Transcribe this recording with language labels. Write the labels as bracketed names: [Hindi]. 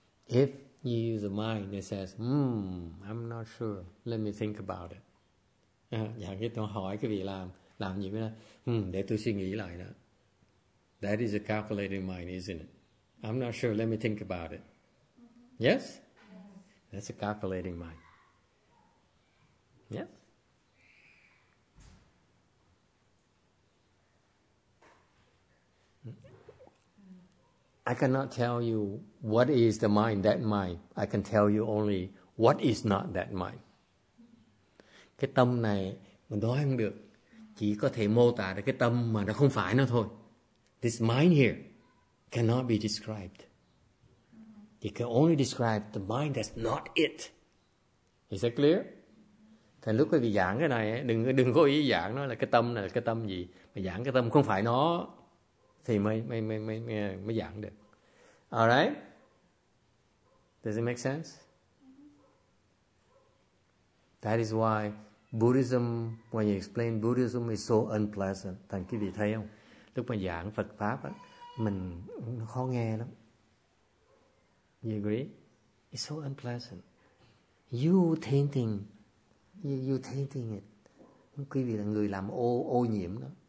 [English] If you use a mind that says, I'm not sure, let me think about it. [Vietnamese] Dạ, cái tôi hỏi cái vị làm gì vậy? Để tôi suy nghĩ lại đó. [English] That is a calculating mind, isn't it? I'm not sure, let me think about it. Yes? That's a calculating mind. Yes? I cannot tell you what is the mind, that mind. I can tell you only what is not that mind. [Vietnamese] Cái tâm này mình đoán không được. Chỉ có thể mô tả được cái tâm mà nó không phải nó thôi. [English] This mind here cannot be described. It can only describe the mind that's not it. Is that clear? [Vietnamese] Thì lúc quý vị giảng cái này, đừng có ý giảng nó là cái tâm này là cái tâm gì. Mà giảng cái tâm không phải nó. Thì mới giảng được. [English] All right? Does it make sense? That is why Buddhism, when you explain Buddhism, is so unpleasant. [Vietnamese] Thành quý vị thấy không? Lúc mà giảng Phật Pháp, á, mình nó khó nghe lắm. [English] You agree? It's so unpleasant. You tainting it. [Vietnamese] Quý vị là người làm ô nhiễm đó.